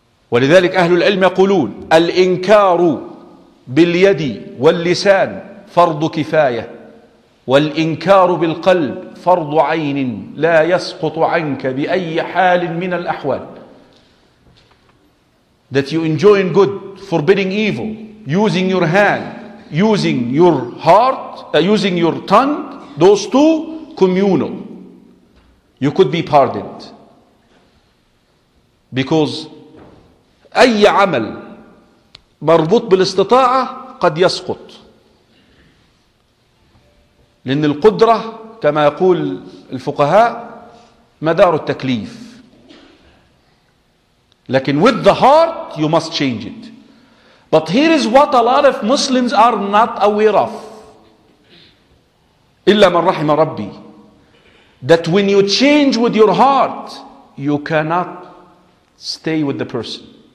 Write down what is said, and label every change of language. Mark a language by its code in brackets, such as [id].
[ar] ولذلك أهل العلم يقولون الإنكار باليد واللسان فرض كفاية والإنكار بالقلب فرض عين لا يسقط عنك بأي حال من الأحوال. [en] That you enjoy in good, forbidding evil, using your hand, using your heart, using your tongue, those two communal. You could be pardoned. Because [ar] أي عمل مربوط بالاستطاعة قد يسقط. لأن القدرة كما يقول الفقهاء مدار التكليف. لكن [en] with the heart you must change it. But here is what a lot of Muslims are not aware of. [ar] إلا من رحم ربي. [en] That when you change with your heart, you cannot stay with the person.